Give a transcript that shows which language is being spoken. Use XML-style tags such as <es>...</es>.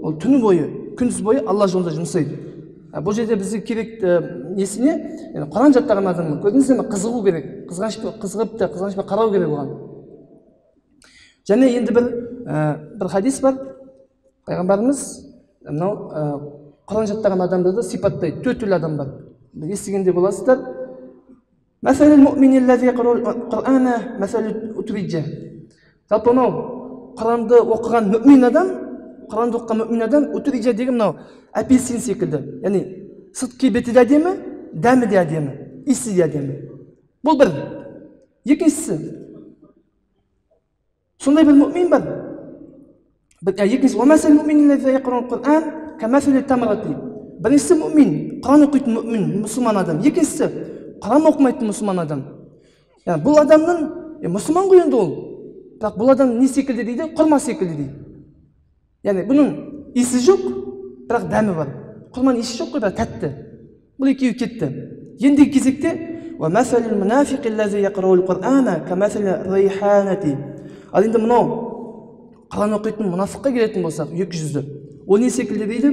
<kk>Ол түні бойы, күндіз бойы Алла жолында жұмсайды. Бұл жерде бізге керек несіне, яғни Құран жаттаған адамға көрдіңіздер ме қызығу керек, қызғанышпен қарау керек оған. Және енді бір хадис бар, пайғамбарымыз мынау Құран жаттаған адамдарды сипаттайды, төрт түрлі адам бар. Естігенде боласыздар.</kk> <ar>مثل المؤمن الذي يقرأ القرآن مثل أتريجة. طبعاً</ar> <kk>Құранды оқыған мүмин адам, Құранды оқыған мүмин адам өтірігі деген мынау апельсин секілді. Яғни, сырт келбеті де әдемі, дәмі де әдемі, иісі де әдемі. Бұл бір. Екіншісі. Сондай бір мүмин бар. Екіншісі,</kk> <ar>وَمَثَلُ الْمُؤْمِنِ الَّذِي يَقْرَأُ الْقُرْآنَ كَمَثَلِ التَّمْرَةِ.</ar> <kk>Біріншісі мүмин, Құран оқитын мүмин, мұсылман адам. Екіншісі, Құран оқымайтын мұсылман адам. Яғни, бұл адамның мұсылман ғой енді ол. Бірақ бұл адам не секілді дейді? Құрма секілді дейді. Яғни бұның иісі жоқ, бірақ дәмі бар. Құрманың иісі жоқ, бірақ тәтті. Бұл екеуі кетті. Енді кезекте</kk> <ar>وَمَثَلُ الْمُنَافِقِ الَّذِي يَقْرَأُ الْقُرْآنَ كَمَثَلِ الرَّيْحَانَةِ</ar> <kk>Ал енді мынау Құран оқитын мұнафыққа келетін болсақ, екі жүзді. Ол не секілді дейді?</kk>